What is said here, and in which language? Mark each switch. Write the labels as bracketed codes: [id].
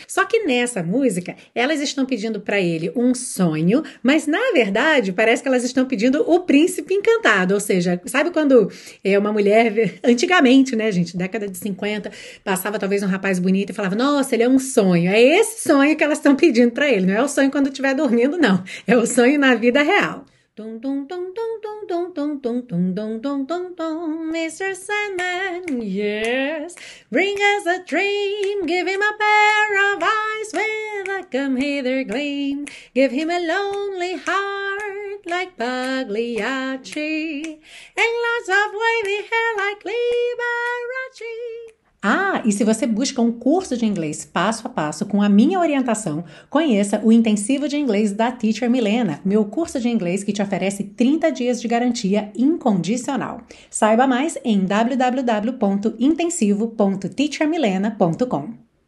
[pt] Só que nessa música, elas estão pedindo para ele um sonho, mas na verdade, parece que elas estão pedindo o príncipe encantado. Ou seja, sabe quando é uma mulher, antigamente, né, gente, década de 50, passava talvez um rapaz bonito e falava, nossa, ele é um sonho, é esse sonho que elas estão pedindo para ele, não é o sonho quando estiver dormindo, não, é o sonho na vida real. Dum, dum, dum, dum, dum, dum, dum, dum, dum, dum, dum, dum, dum, Mr. [en] Sandman, yes, bring us a dream, give him a pair of eyes with a come hither gleam, give him a lonely heart like Pagliacci, and lots of wavy hair like Liberace. [pt] Ah, e se você busca um curso de inglês passo a passo com a minha orientação, conheça o Intensivo de Inglês da Teacher Milena, meu curso de inglês que te oferece 30 dias de garantia incondicional. Saiba mais em www.intensivo.teachermilena.com.